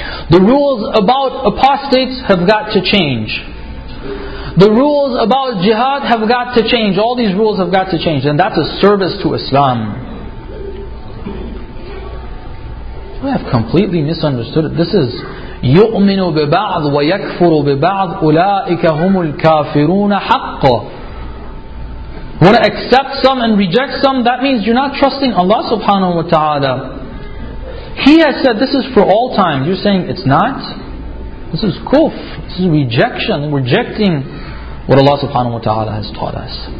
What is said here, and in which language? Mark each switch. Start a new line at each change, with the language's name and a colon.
English: The rules about apostates have got to change. The rules about jihad have got to change. All these rules have got to change. And that's a service to Islam. I have completely misunderstood it. This is
Arabic: يُؤْمِنُ بِبَعْضُ وَيَكْفُرُ بِبَعْضُ أُولَٰئِكَ هُمُ الْكَافِرُونَ حَقَّ.
English: Want to accept some and reject some? That means you're not trusting Allah subhanahu wa ta'ala. He has said this is for all times. You're saying it's not? This is kuf. This is rejection. Rejecting what Allah subhanahu wa ta'ala has taught us.